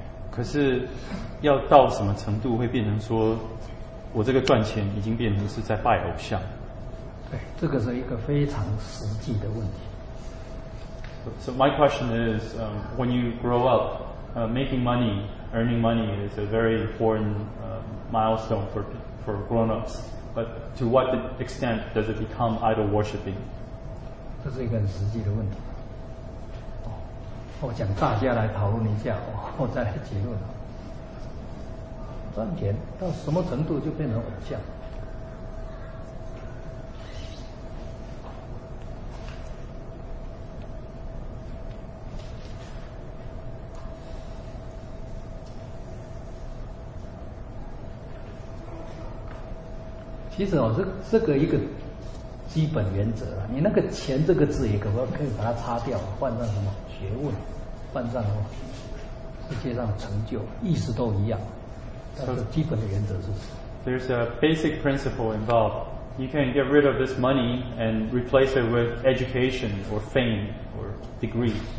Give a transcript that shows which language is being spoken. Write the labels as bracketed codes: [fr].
[zh] 可是要到什么程度会变成说，我这个赚钱已经变成是在拜偶像？对，这个是一个非常实际的问题。 [en] So my question is, when you grow up. Making money, earning money is a very important milestone for grown-ups. But to what extent does it become idol worshiping? [zh] 这是一个很实际的问题。我想大家来讨论一下，我再来结论。赚钱到什么程度就变成偶像？其实哦，这个一个基本原则了。你那个钱这个字也可以把它擦掉，换上什么学问，换上什么世界上成就，意思都一样。但是基本的原则是什么 [en] ？There's a basic principle involved. You can get rid of this money and replace it with education or fame or degree.